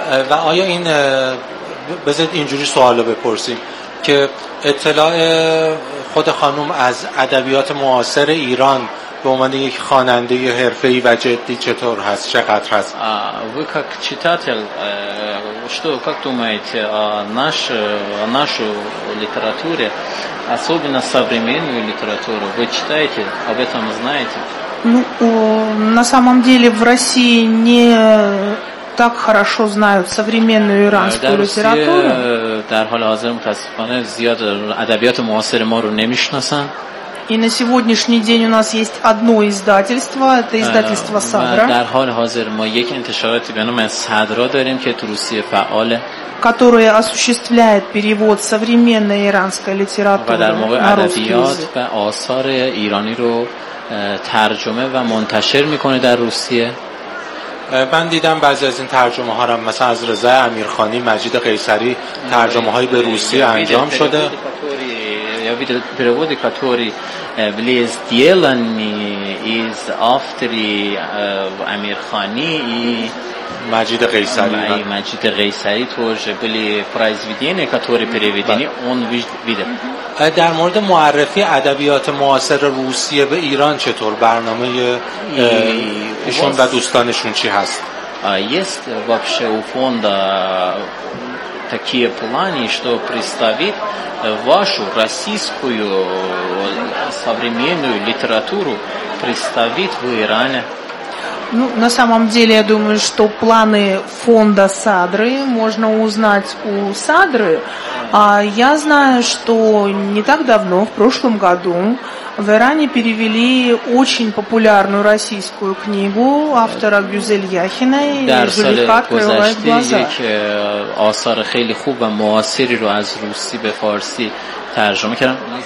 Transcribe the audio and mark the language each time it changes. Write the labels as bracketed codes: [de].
[fa] و آیا این بذارید اینجوری سوالو بپرسیم که اطلاع خود خانم از ادبیات معاصر ایران به عنوان یک خواننده حرفه‌ای و جدی چطور هست، چقدر هست؟ [ru] Вы как читатель, что как думаете о нашу литературе, особенно современную литературу, вы читаете, об этом знаете? Ну, на самом деле в России не так хорошо знают современную иранскую литературу. [fa] در حال حاضر متاسفانه زیاد ادبیات معاصر ما رو نمی‌شناسن. [ru] И на сегодняшний день у нас есть одно издательство, это издательство Садра. [fa] در حال حاضر ما یک انتشاراتی به نام صدرا داریم که تو روسیه فعال. [ru] Которое осуществляет перевод современной иранской литературы. [fa] در موقع ادبیات و آثار ایرانی رو ترجمه و منتشر می‌کنه در روسیه. من دیدم بعضی از این ترجمه ها را مثلا از رضا امیرخانی، مجید قیصری ترجمه های به روسی انجام شده. [ru] Я видел переводы, которые были сделаны из авторы Амирхани и Маджида Гейсари. И Маджида Гейсари тоже были произведения, которые переведены. Он видел. [fa] در مورد معرفی ادبیات معاصر روسیه به ایران چطور، برنامه ایشون و دوستانشون چی هست؟ [ru] Есть вообще у фонда такие планы, что представить вашу российскую современную литературу, представить в Иране? Ну, на самом деле, я думаю, что планы фонда Садры можно узнать у Садры. А я знаю, что не так давно, в прошлом году, в Иране перевели очень популярную российскую книгу автора Гюзель Яхиной «Результат открывает глаза». [fa] آثار خیلی خوب و معاصری رو از روسی به فارسی ترجمه کردم.